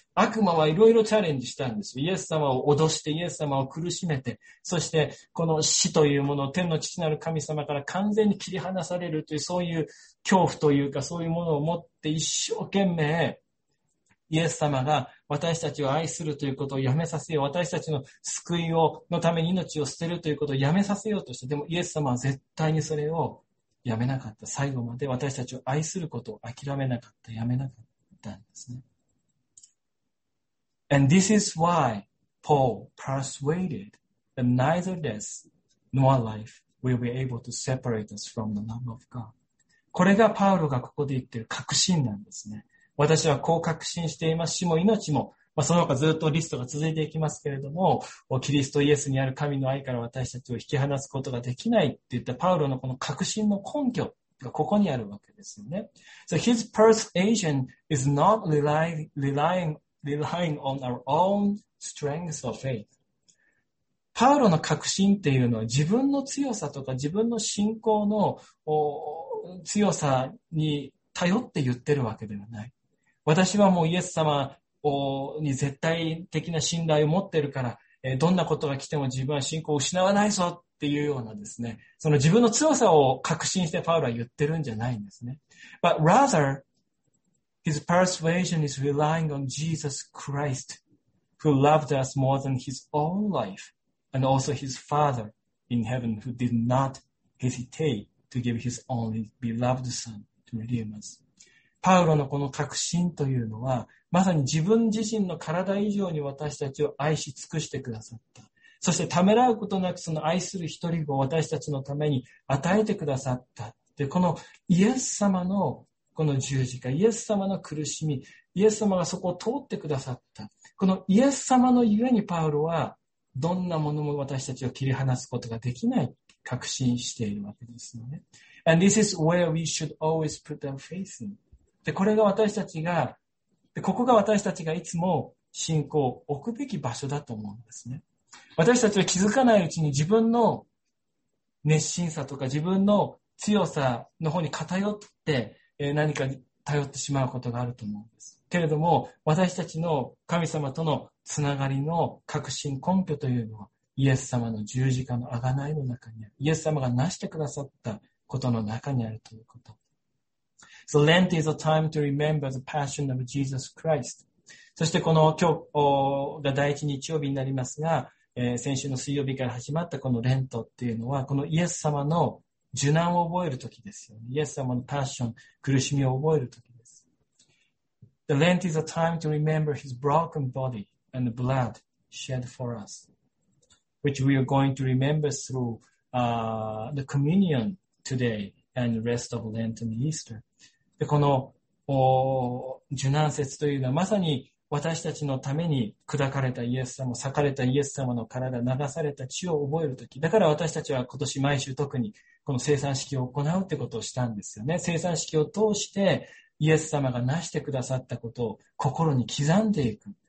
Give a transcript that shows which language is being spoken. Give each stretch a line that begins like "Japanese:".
Japanese: 悪魔はいろいろチャレンジしたんです。イエス様を脅して、イエス様を苦しめて、そしてこの死というものを天の父なる神様から完全に切り離されるという、そういう恐怖というか、そういうものを持って一生懸命イエス様が私たちを愛するということをやめさせよう、私たちの救いをのために命を捨てるということをやめさせようとして、でもイエス様は絶対にそれをやめなかった。最後まで私たちを愛することを諦めなかった、やめなかったんですね。
English: And this is why Paul persuaded that neither death nor life will be able to separate us from the love of God.
Japanese: これがパウロがここで言っている確信なんですね。私はこう確信しています。死も命も、まあ、その他ずっとリストが続いていきますけれども、キリストイエスにある神の愛から私たちを引き離すことができないって言ったパウロのこの確信の根拠がここにあるわけですよね。
English: So his persuasion is not relying on our own strength of faith.
Japanese: パウロの確信っていうのは自分の強さとか自分の信仰の強さに頼って言ってるわけではない。私はもうイエス様に絶対的な信頼を持ってるから、どんなことが来ても自分は信仰を失わないぞっていうようなですね、その自分の強さを確信してパウロは言ってるんじゃないんですね。
English: But rather, his persuasion is relying on Jesus Christ, who loved us more than his own life, and also his Father in heaven, who did not hesitate to give his only beloved Son to redeem us.
Japanese: パウロのこの確信というのは、まさに自分自身の体以上に私たちを愛し尽くしてくださった。そしてためらうことなくその愛する一人を私たちのために与えてくださった。で、このイエス様のこの十字架、イエス様の苦しみ、イエス様がそこを通ってくださった。このイエス様のゆえにパウロはどんなものも私たちを切り離すことができない、確信しているわけですよね。
English: And this is where we should always put our faith in.
Japanese: で、これが私たちがで、ここが私たちがいつも信仰を置くべき場所だと思うんですね。私たちは気づかないうちに自分の熱心さとか自分の強さの方に偏って、何かに頼ってしまうことがあると思うんです。けれども、私たちの神様とのつながりの核心根拠というのは、イエス様の十字架の贖いの中にある。イエス様が成してくださったことの中にあるということ。
English: So Lent is a time to remember the passion of Jesus Christ.
Japanese: そしてこの今日が第一日曜日になりますが、先週の水曜日から始まったこのレントっていうのは、このイエス様の受難を覚えるときですよね。イエス様のパッション、苦しみを覚えるときです。
English: The Lent is a time to remember his broken body and blood shed for us, which we are going to remember through, the communion today and the rest of Lent and Easter.
Japanese: で、この受難節というのはまさに私たちのために砕かれたイエス様、裂かれたイエス様の体、流された血を覚えるとき。だから私たちは今年毎週特にこの聖餐式を行うってことをしたんですよね。聖餐式を通してイエス様が成してくださったことを心に刻んでいく。